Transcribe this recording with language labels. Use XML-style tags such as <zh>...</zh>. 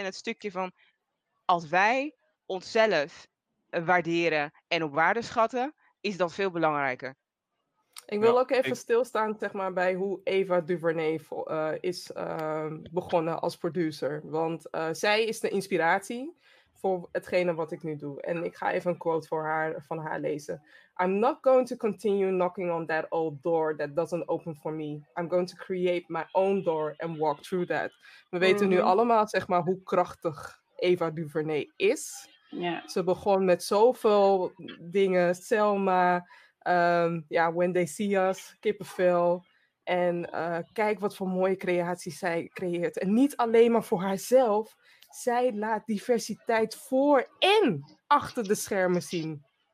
<nl>En het stukje van, als wij onszelf waarderen en op waarde schatten, is dat veel belangrijker. Ik wil ook even stilstaan zeg maar, bij hoe Ava DuVernay is begonnen als producer. Want zij is de inspiratie voor hetgene wat ik nu doe. En ik ga even een quote van haar lezen.</nl> <en>I'm not going to continue knocking on that old door that doesn't open for me. I'm going to create my own door and walk through that.</en> <nl>We weten nu allemaal zeg maar, hoe krachtig Ava DuVernay is.</nl> <en>Yeah.</en> <nl>Ze begon met zoveel dingen. Selma, When They See Us, kippenvel. En kijk wat voor mooie creaties zij creëert. En niet alleen maar voor haarzelf. Zij laat diversiteit voor en achter de schermen zien.</nl>